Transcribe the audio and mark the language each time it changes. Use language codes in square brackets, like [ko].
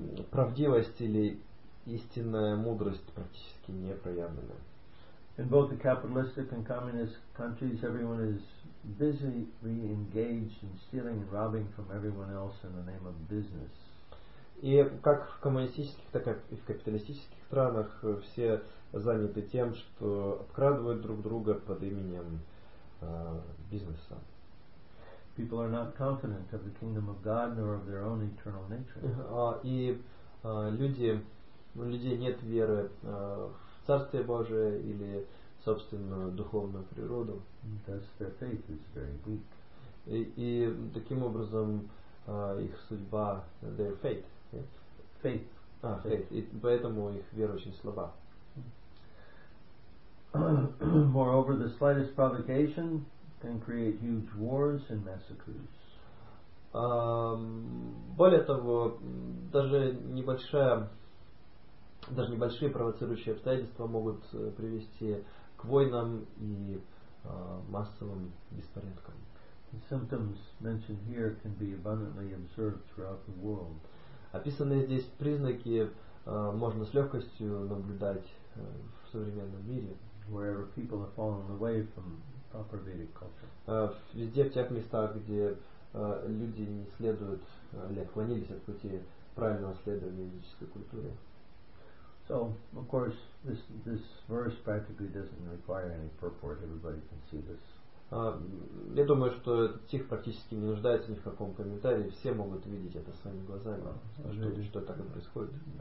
[ru] Правдивость или истинная мудрость практически не проявлены. [en] In both the capitalistic and communist countries, everyone is busily engaged in stealing and robbing from everyone else in the name of business. [ru] И как в коммунистических, так и в капиталистических странах все заняты тем, что обкрадывают друг друга под именем бизнеса. [en] People are not confident of the kingdom of God nor of their own eternal nature. [ru] Людей нет веры в Царствие Божие или собственную духовную природу. [en] Thus their faith is very weak. [ru] И таким образом их судьба, [en] their faith. Faith. Faith. [ru] И поэтому их вера очень слаба. [en] Moreover, the slightest provocation can create huge wars and massacres. [ru] Более того, даже небольшие провоцирующие обстоятельства могут привести к войнам и массовым беспорядкам. [en] The symptoms mentioned here can be abundantly observed throughout the world. [ru] Описанные здесь признаки можно с легкостью наблюдать в современном мире. [en] Wherever people have fallen away from proper Vedic culture. [ru] Везде, в тех местах, где люди не следуют или отклонились от пути правильного следования ведической культуры. [en] So, of course, this verse practically doesn't require any purport. Everybody can see this. [ru] Я думаю, что этот стих практически не нуждается ни в каком комментарии. Все могут видеть это своими глазами, что так и происходит.